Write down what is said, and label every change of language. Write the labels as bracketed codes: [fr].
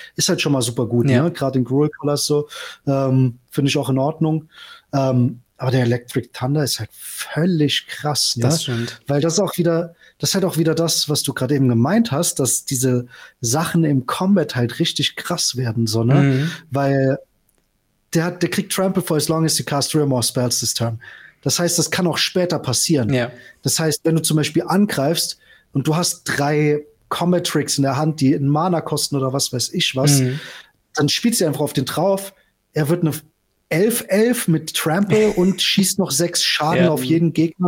[de] Ist halt schon mal super gut, ne? Gerade in Gruul Colors so. Finde ich auch in Ordnung. Aber der Electric Thunder ist halt völlig krass, ne? Das stimmt. Weil das ist halt auch wieder das, was du gerade eben gemeint hast, dass diese Sachen im Combat halt richtig krass werden, so, ne? Weil der kriegt [en] Trample for as long as you cast 3 or more spells this turn. [de] Das heißt, das kann auch später passieren. [en] Yeah. [de] Das heißt, wenn du zum Beispiel angreifst und du hast 3 Combat Tricks in der Hand, die einen Mana kosten oder was weiß ich was, dann spielst du einfach auf den drauf. Er wird eine 11-11 mit Trample und schießt noch 6 Schaden auf jeden Gegner.